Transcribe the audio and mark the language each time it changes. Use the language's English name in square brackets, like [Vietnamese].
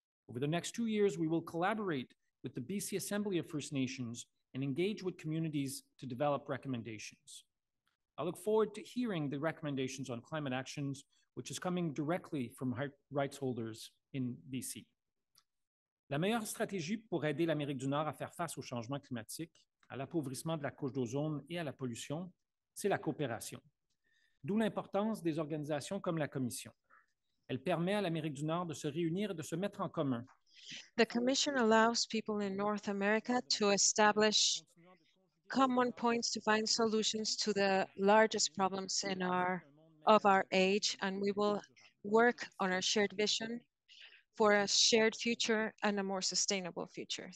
[English] Over the next 2 years, we will collaborate with the BC Assembly of First Nations and engage with communities to develop recommendations. I look forward to hearing the recommendations on climate actions, which is coming directly from rights holders in BC. [French] La meilleure stratégie pour aider l'Amérique du Nord à faire face au changement climatique, à l'appauvrissement de la couche d'ozone et à la pollution, c'est la coopération. D'où l'importance des organisations comme la Commission. Elle permet à l'Amérique du Nord de se réunir et de se mettre en commun. [English] The Commission allows people in North America to establish common points to find solutions to the largest problems of our age, and we will work on our shared vision for a shared future and a more sustainable future.